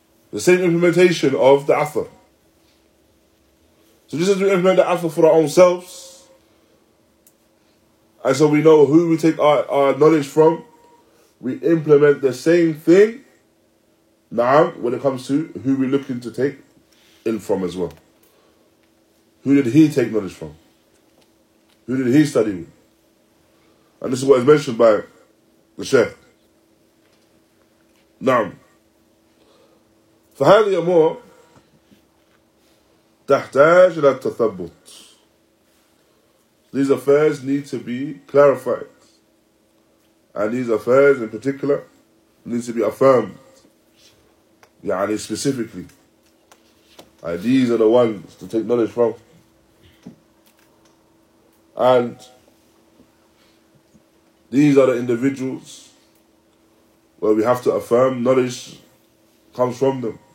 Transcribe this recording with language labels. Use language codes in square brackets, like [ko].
[en] The same implementation of the athar. So just as we implement the Afa for our own selves, and so we know who we take our knowledge from, we implement the same thing now when it comes to who we're looking to take in from as well. Who did he take knowledge from? Who did he study with? And this is what is mentioned by the Sheikh. [ar] Na'am. فهذه أمور تحتاج إلى التثبت. [en] These affairs need to be clarified. And these affairs in particular need to be affirmed. [ar] يعني [en] specifically. And these are the ones to take knowledge from. And these are the individuals where we have to affirm knowledge comes from them.